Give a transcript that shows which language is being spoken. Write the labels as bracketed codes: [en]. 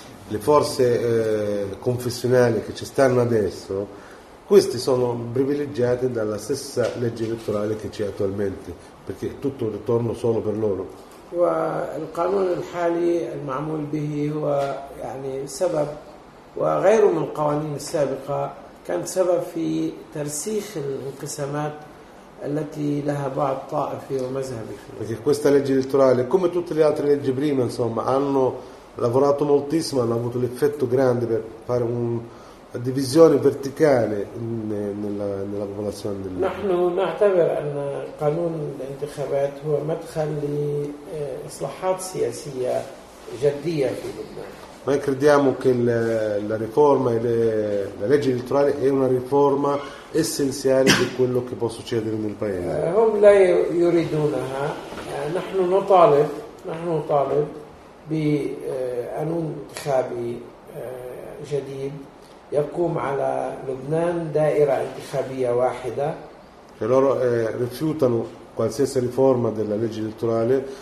[it] Le forze confessionali che ci stanno adesso, queste sono privilegiate dalla stessa legge elettorale che c'è attualmente, perché tutto ritorno solo per loro. [ar] والقانون الحالي المعمول به هو يعني سبب وغيره من القوانين السابقة كان سبب في ترسيخ الانقسامات التي لها بعض طائفي ومذهبي. [it] Perché questa legge elettorale, come tutte le altre leggi prima, insomma, hanno lavorato moltissimo, hanno avuto l'effetto grande per fare una divisione verticale nella popolazione del. [ar] نحن نعتبر أن قانون الانتخابات هو مدخل لإصلاحات سياسية جدية في لبنان. [it] Noi crediamo che la riforma e la legge elettorale è una riforma essenziale di quello che può succedere nel paese. [ar] هم لا يريدونها. نحن نطالب بقانون انتخابي جديد يقوم على لبنان دائرة انتخابية واحدة. [it] Cioè loro rifiutano qualsiasi riforma della legge elettorale.